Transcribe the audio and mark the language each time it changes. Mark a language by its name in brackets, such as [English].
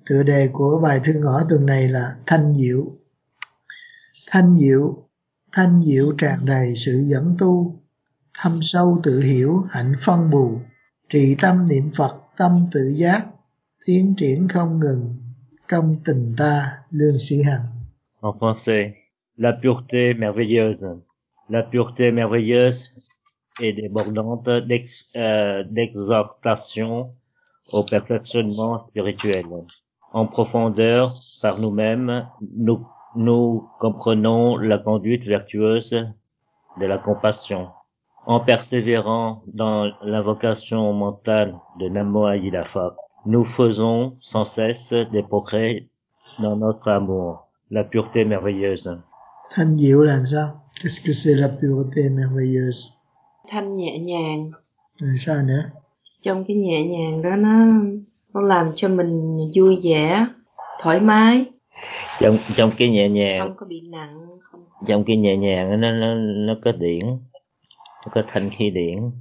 [Vietnamese] Tựa đề của bài thư ngõ tuần này là Thanh Diệu. Thanh Diệu, thanh diệu tràn đầy sự dẫn tu, thâm sâu tự hiểu hạnh phân bù, trì tâm niệm Phật tâm tự giác, tiến triển không ngừng trong tình ta. Lương Sĩ Hằng. [French] En français, la pureté merveilleuse. La pureté merveilleuse est débordante d'exhortation au perfectionnement spirituel. En profondeur, par nous-mêmes, nous comprenons la conduite vertueuse de la compassion. En persévérant dans l'invocation mentale de Namo Ayidafa, nous faisons sans cesse des progrès dans notre amour, la pureté merveilleuse. [Vietnamese] Thanh diệu là sao? [French] Qu'est-ce que c'est la pureté merveilleuse? [Vietnamese] Thanh nhẹ nhàng. Rồi sao nữa? Trong cái nhẹ nhàng đó nó làm cho mình vui vẻ, thoải mái. Trong cái nhẹ nhàng. Không có bị nặng. Không. Trong cái nhẹ nhàng nó có điển, nó có thanh khí điển.